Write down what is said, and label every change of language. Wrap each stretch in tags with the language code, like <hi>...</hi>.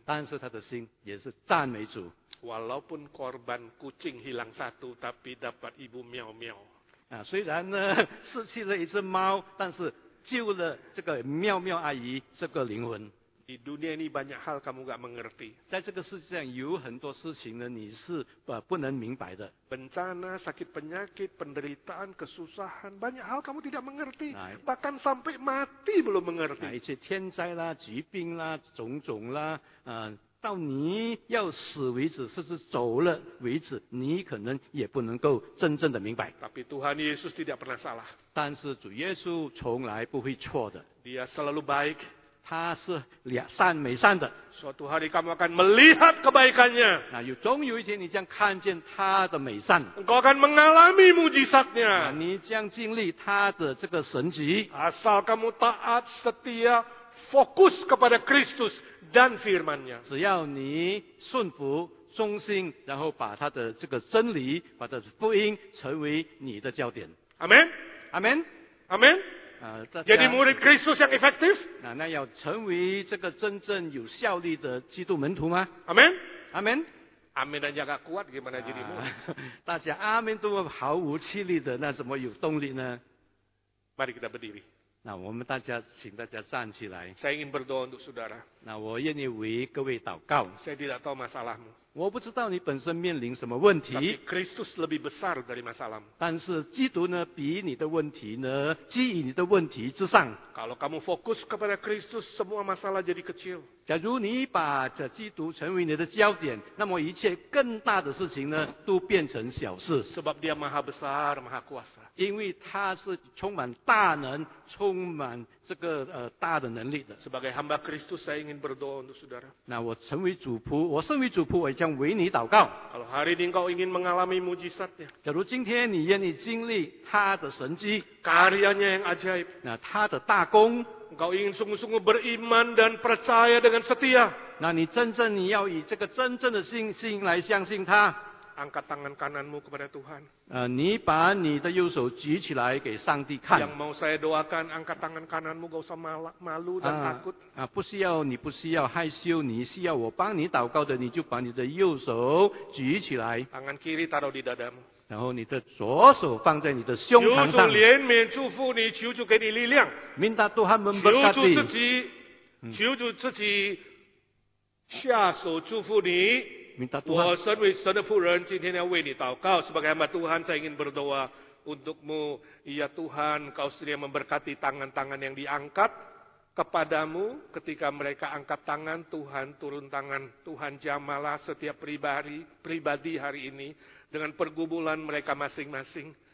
<zh>但是他的心也是赞美主。</zh> <id>Walaupun korban kucing hilang satu, tapi dapat ibu miau miau。</id> <zh>啊，虽然呢失去了一只猫，但是救了这个喵喵阿姨这个灵魂。</zh> <id>Di dunia ini banyak hal kamu enggak mengerti.</id> <zh>在这个世界上有很多事情呢，你是不能明白的。</zh> <id>Bencana, sakit penyakit, penderitaan, kesusahan, banyak hal kamu tidak mengerti, bahkan sampai mati belum mengerti.</id> <zh>一些天灾啦、疾病啦、种种啦，到你要死为止，甚至走了为止，你可能也不能够真正的明白。</zh> <id>Tapi Tuhan Yesus tidak pernah salah.</id> <zh>但是主耶稣从来不会错的。</zh> <id>Dia selalu baik.</id> <zh>他是良善美善的。</zh> <id>Suatu hari kamu akan melihat kebaikannya.</id> <zh>那有终有一天你将看见他的美善。</zh> <id>Engkau akan mengalami mujizatnya.</id> <zh>你将经历他的这个神迹。</zh> <id>Asal kamu taat setia, fokus kepada Kristus dan Firman-Nya.</id> <zh>只要你顺服忠心，然后把他的这个真理，把他的福音成为你的焦点。 Amen. Amen.</zh> <id>Amen. Jadi murid Kristus yang efektif?</id> <zh>那要成为这个真正有效力的基督门徒吗？ Amen? Amen?</zh> <id>Amen</id> <zh>人家</zh> <id>gak kuat gimana jadi murid?</id> <zh>大家 Amen 都毫无气力的，那怎么有动力呢？</zh> <id>Mari kita berdiri.</id> <zh>那我们大家请大家站起来。</zh> <id>Saya ingin berdoa untuk saudara.</id> <zh>那我愿意为各位祷告。</zh> <id>Saya tidak tahu masalahmu.</id> <zh>我不知道你本身面临什么问题。</zh> <id>Tapi Kristus lebih besar dari masalahmu.</id> <zh>但是基督呢，比你的问题呢，基于你的问题之上。</zh> <id>Kalau kamu fokus kepada Kristus, semua masalah jadi kecil.</id> <zh>假如你把这基督成为你的焦点，那么一切更大的事情呢，都变成小事。</zh> <id>Sebab dia maha besar, maha kuasa.</id> <zh>因为他是充满大能，充满这个大的能力的。</zh> <id>Sebagai hamba Kristus, saya ingin berdoa untuk saudara.</id> <zh>那我成为主仆，我身为主仆，我将为你祷告。</zh> <id>Kalau hari ini engkau ingin mengalami mujizatnya.</id> <zh>假如今天你愿意经历他的神迹。</zh> <id>Karyanya yang ajaib.</id> <zh>那他的大功。</zh> <id>Engkau ingin sungguh-sungguh beriman dan percaya dengan setia.</id> <zh>那你真正你要以这个真正的信心来相信他。</zh> <id>Angkat tangan kananmu kepada Tuhan.</id> <zh>你把你的右手举起来给上帝看。</zh> <id>Yang mau saya doakan, angkat tangan kananmu, gak usah malu dan takut.</id> <zh>不需要你不需要害羞，你需要我帮你祷告的，你就把你的右手举起来。</zh> <id>Tangan kiri taruh di dadamu.</id> <zh>然后你的左手放在你的胸膛上。求主怜悯祝福你，求主给你力量。明达都还闷不干净。求主自己下手祝福你。明达都。我身为神的仆人，今天要为你祷告。</zh> <id>Sebagai hamba Tuhan, saya ingin berdoa untukmu. Ya Tuhan, kau sedia memberkati tangan-tangan yang diangkat kepadamu ketika mereka angkat tangan. Tuhan turun tangan. Tuhan jamalah setiap pribadi hari ini. Dengan pergumulan mereka masing-masing.</id>